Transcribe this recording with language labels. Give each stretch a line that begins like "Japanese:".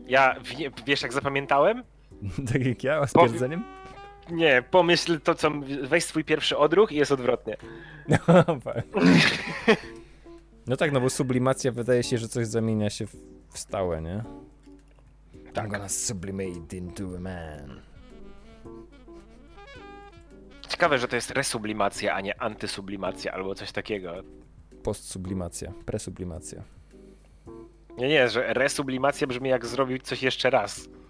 Polish: Ja wiesz, jak zapamiętałem? Tak jak ja, z pierdzeniem? Nie, pomyśl to, co. Weź swój pierwszy odruch i jest odwrotnie. No tak, no bo sublimacja wydaje się, że coś zamienia się w stałe, nie? Tak.
English: I'm gonna sublimate into a man.
Polish: Ciekawe, że to jest resublimacja, a nie antysublimacja albo coś takiego. Postsublimacja, presublimacja. Nie, nie, że resublimacja brzmi jak zrobić coś jeszcze raz.